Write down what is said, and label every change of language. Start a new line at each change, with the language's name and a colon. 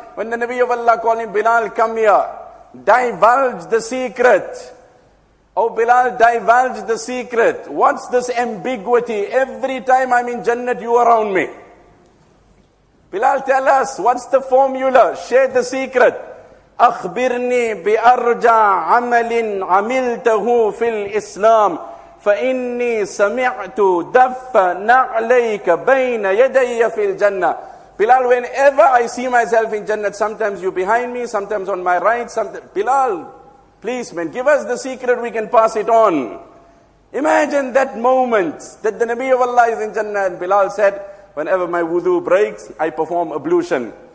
English: When the Nabi of Allah called him, Bilal, come here. Divulge the secret. Oh Bilal, divulge the secret. What's this ambiguity? Every time I'm in Jannat, you are around me. Bilal, tell us, what's the formula? Share the secret.
Arabic: أخبرني بأرجع عمل عملته في الإسلام فإني سمعت دف نعليك بين يدي في الجنة.
English: Bilal, whenever I see myself in Jannah, sometimes you behind me, sometimes on my right, sometimes... Bilal, please, man, give us the secret, we can pass it on. Imagine that moment that the Nabi of Allah is in Jannah and Bilal said, whenever my wudu breaks, I perform ablution.